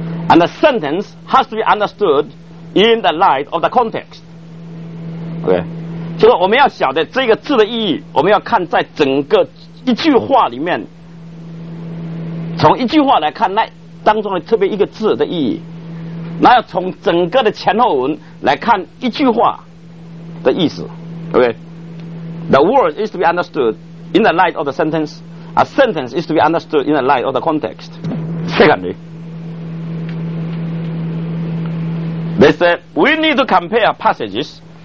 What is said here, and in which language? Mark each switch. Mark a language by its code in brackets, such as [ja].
[en] And the sentence has to be understood in the light of the context. Okay. [zh] 就是我们要晓得这个字的意义，我们要看在整个一句话里面，从一句话来看那当中的特别一个字的意义，那要从整个的前后文来看一句话的意思。 [en] Okay. The word is to be understood in the light of the sentence. A sentence is to be understood in the light of the context. Secondly, they said we need to compare passages.